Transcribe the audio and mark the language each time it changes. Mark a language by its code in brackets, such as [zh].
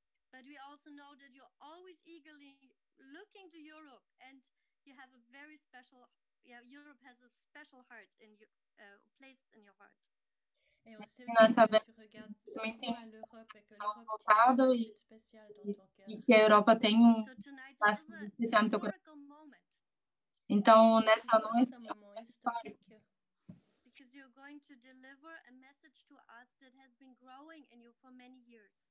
[en] But we also know that you're always eagerly looking to Europe, and you have a very special, Europe has a special heart in your place in your heart. [pt] Nós sabemos que você também tem um especial e que a Europa tem um espaço especial no teu coração. Então, nessa noite, é histórico. [en] Because you're going to deliver a message to us that has been growing in you for many years.